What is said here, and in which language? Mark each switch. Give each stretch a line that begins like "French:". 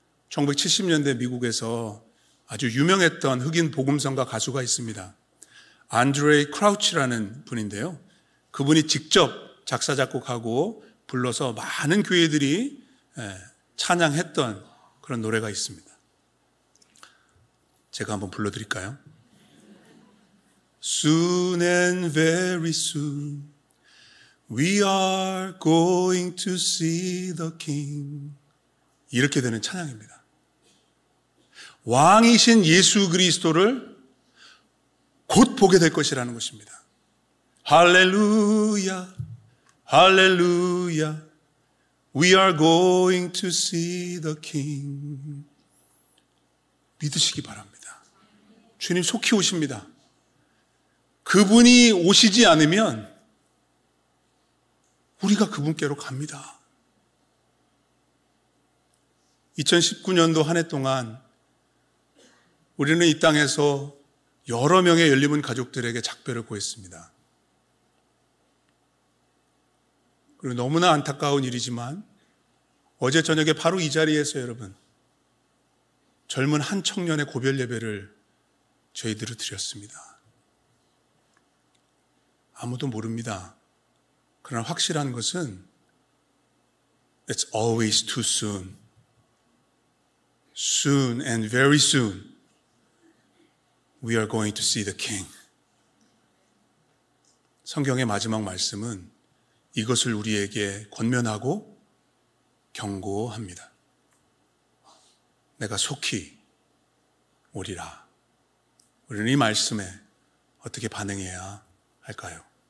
Korean: 1970년대 미국에서 아주 유명했던 흑인 복음성가 가수가 있습니다. 안드레이 크라우치라는 분인데요. 그분이 직접 작사 작곡하고 불러서 많은 교회들이 찬양했던 그런 노래가 있습니다. 제가 한번 불러드릴까요?
English: Soon and very soon we are going to see the king.
Korean: 이렇게 되는 찬양입니다. 왕이신 예수 그리스도를 곧 보게 될 것이라는 것입니다.
English: 할렐루야, 할렐루야, we are going to see the king.
Korean: 믿으시기 바랍니다. 주님 속히 오십니다. 그분이 오시지 않으면 우리가 그분께로 갑니다. 2019년도 한 해 동안 우리는 이 땅에서 여러 명의 열린문 가족들에게 작별을 구했습니다. 그리고 너무나 안타까운 일이지만 어제 저녁에 바로 이 자리에서 여러분 젊은 한 청년의 고별 예배를 저희들이 드렸습니다. 아무도 모릅니다. 그러나 확실한 것은
English: It's always too soon. Soon and very soon we are going to see the King.
Korean: 성경의 마지막 말씀은 이것을 우리에게 권면하고 경고합니다. 내가 속히 오리라. 우리는 이 말씀에 어떻게 반응해야 할까요?